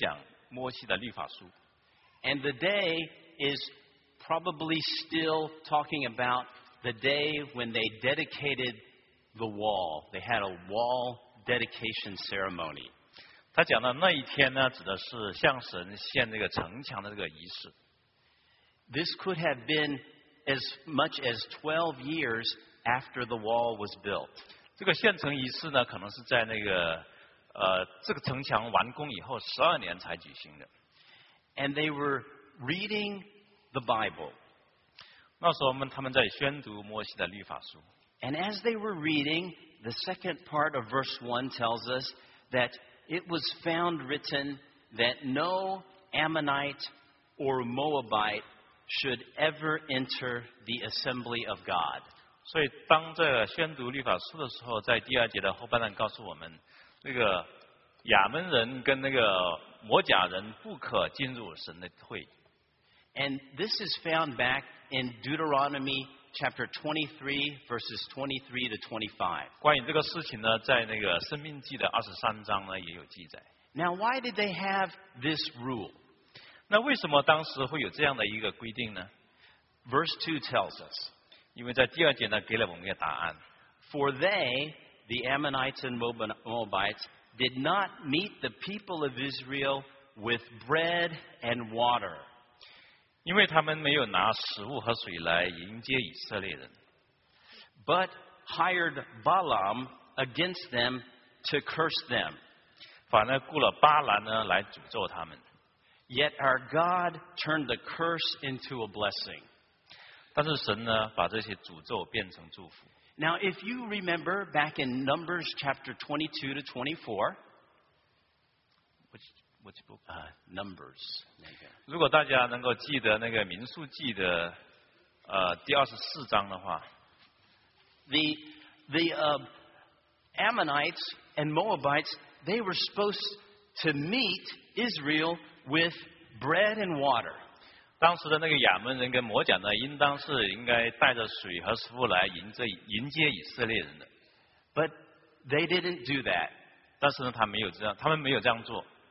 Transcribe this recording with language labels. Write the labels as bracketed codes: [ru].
[zh] 所以这个尼希米记呢，一开始呢，就是说他们是在读摩西律法，在这个会众当中呢，宣讲摩西的律法书。 [en] And the day is probably still talking about the day when they dedicated the wall. They had a wall dedication ceremony. [zh] 他讲的那一天呢，指的是向神献这个城墙的这个仪式。 [en] This could have been as much as 12 years after the wall was built. [zh] 这个献城仪式呢，可能是在那个这个城墙完工以后12年才举行的。 [en] And they were reading the Bible. [zh] 那时候他们在宣读摩西的律法书。 [en] And as they were reading, the second part of verse 1 tells us that it was found written that no Ammonite or Moabite should ever enter the assembly of God. [zh] 所以当这个宣读律法书的时候，在第二节的后半段告诉我们，那个亚扪人跟那个摩甲人不可进入神的会。 [en] And this is found back in Deuteronomy chapter 23, verses 23 to 25. [zh] 关于这个事情呢, [en] Now, why did they have this rule? [zh] 那为什么当时会有这样的一个规定呢? [en] Verse 2 tells us. [zh] 因为在第二节呢, 给了我们一个答案。 [en] For they, the Ammonites and Moabites, did not meet the people of Israel with bread and water. [zh] 因为他们没有拿食物和水来迎接以色列人。 [en] But hired Balaam against them to curse them. [zh] 反而雇了巴兰呢来诅咒他们。 [en] Yet our God turned the curse into a blessing. [zh] 但是神呢把这些诅咒变成祝福。 [en] Now if you remember back in Numbers chapter 22 to 24, Which book? Numbers. [zh] 如果大家能够记得那个民数记的第二十四章的话 [en] The Ammonites and Moabites, they were supposed to meet Israel with bread and water. [zh] 当时的那个亚扪人跟摩甲呢应当是应该带着水和食物来迎接以色列人的。 [en] But they didn't do that. [zh] 但是呢他们没有这样做。